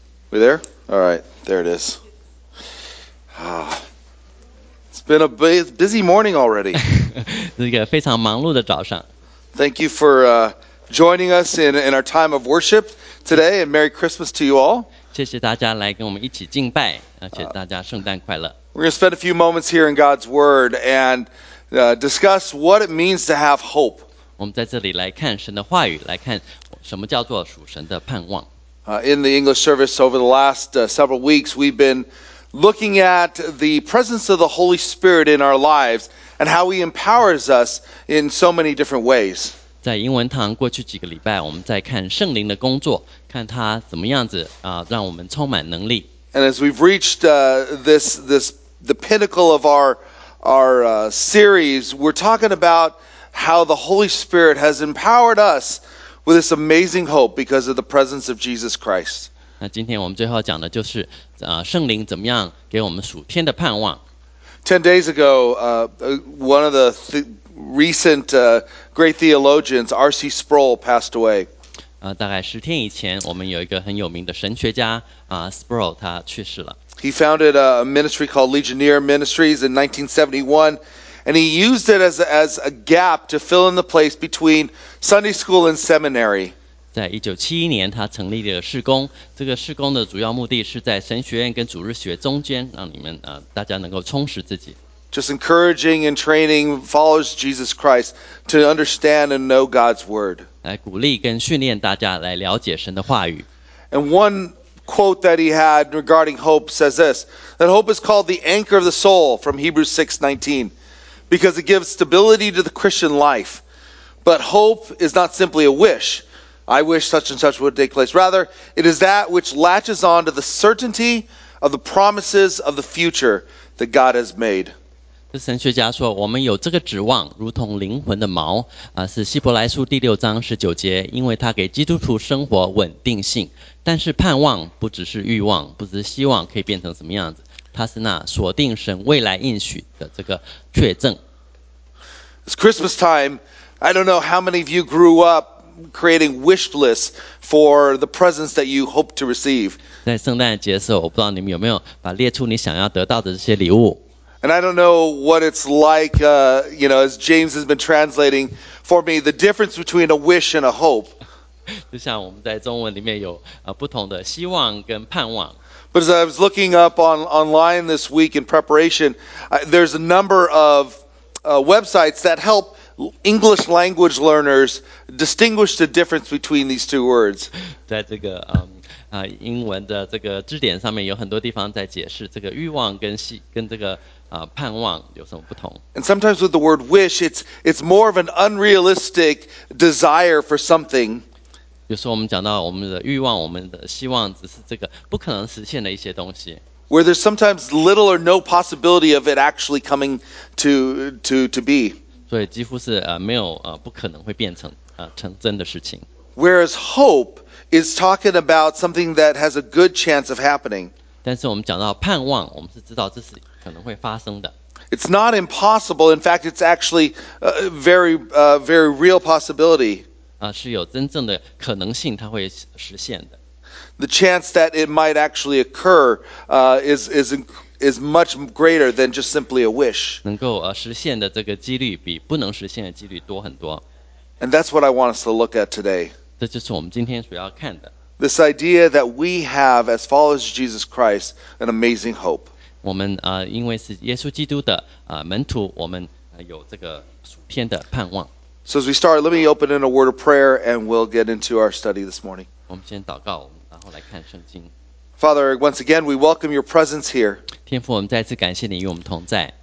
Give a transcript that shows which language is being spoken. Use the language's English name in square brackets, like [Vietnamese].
[English] We there? All right, there it is. Ah, it's been a busy morning already. [Chinese] 这个非常忙碌的早上。 [English] Thank you for joining us in our time of worship today, and Merry Christmas to you all. [Chinese] 谢谢大家来跟我们一起敬拜，而且大家圣诞快乐。 [English] We're going to spend a few moments here in God's Word and. Discuss what it means to have hope. [Chinese] 我们在这里来看神的话语，来看什么叫做属神的盼望。 [English] In the English service over the last several weeks, we've been looking at the presence of the Holy Spirit in our lives and how He empowers us in so many different ways. [Chinese] 在英文堂过去几个礼拜，我们在看圣灵的工作，看他怎么样子啊，让我们充满能力。 [English] And as we've reached the pinnacle of our series, we're talking about how the Holy Spirit has empowered us with this amazing hope because of the presence of Jesus Christ. [Chinese] 那今天我们最后讲的就是啊，圣灵怎么样给我们属天的盼望。 [English] 10 days ago, one of the recent great theologians, R.C. Sproul, passed away. [Chinese] 大概十天以前，我们有一个很有名的神学家啊 ，Sproul， 他去世了。 [English] He founded a ministry called Legionnaire Ministries in 1971, and he used it as a gap to fill in the place between Sunday school and seminary. [Chinese] 在1971年，他成立了事工。这个事工的主要目的是在神学院跟主日学中间，让你们大家能够充实自己。 [English] Just encouraging and training followers Jesus Christ to understand and know God's word. [Chinese] 来鼓励跟训练大家来了解神的话语。 [English] And one quote that he had regarding hope says this, that hope is called the anchor of the soul from Hebrews 6:19, because it gives stability to the Christian life. But hope is not simply a wish. I wish such and such would take place. Rather, it is that which latches on to the certainty of the promises of the future that God has made. [Chinese] 这神学家说，我们有这个指望，如同灵魂的锚啊，是希伯来书第六章十九节，因为它给基督徒生活稳定性。但是盼望不只是欲望，不只是希望可以变成什么样子，它是那锁定神未来应许的这个确证。 [English] It's Christmas time. I don't know how many of you grew up. Creating wish lists for the presents that you hope to receive. [Chinese] 在圣诞节的时候，我不知道你们有没有把列出你想要得到的这些礼物。 [English] And I don't know what it's like, you know, as James has been translating for me, the difference between a wish and a hope. [Chinese] 就像我们在中文里面有不同的希望跟盼望。 [English] But as I was looking up online this week in preparation, there's a number of websites that help. English language learners distinguish the difference between these two words. [Chinese] 在这个英文的这个字典上面有很多地方在解释这个欲望跟这个盼望有什么不同。 [English] And sometimes with the word wish, it's more of an unrealistic desire for something. [Chinese] 有时候我们讲到我们的欲望，我们的希望只是这个不可能实现的一些东西。 [English] Where there's sometimes little or no possibility of it actually coming to be. [Chinese] 所以几乎是没有不可能会变成成真的事情。 [English] Whereas hope is talking about something that has a good chance of happening. [Chinese] 但是我们讲到盼望，我们是知道这是可能会发生的。 [English] It's not impossible. In fact, it's actually a very real possibility. [Chinese] 是有真正的可能性，它会实现的。 [English] The chance that it might actually occur is much greater than just simply a wish. [Chinese] 能够实现的这个几率比不能实现的几率多很多。 [English] And that's what I want us to look at today. [Chinese] 这就是我们今天所要看的。 [English] This idea that we have as followers of Jesus Christ an amazing hope. [Chinese] 我们因为是耶稣基督的门徒，我们有这个属天的盼望。 [English] So as we start, let me open in a word of prayer and we'll get into our study this morning. [Chinese] 我们先祷告，然后来看圣经。 [English] Father, once again, we welcome your presence here. [Chinese] 天父，我们再次感谢你与我们同在。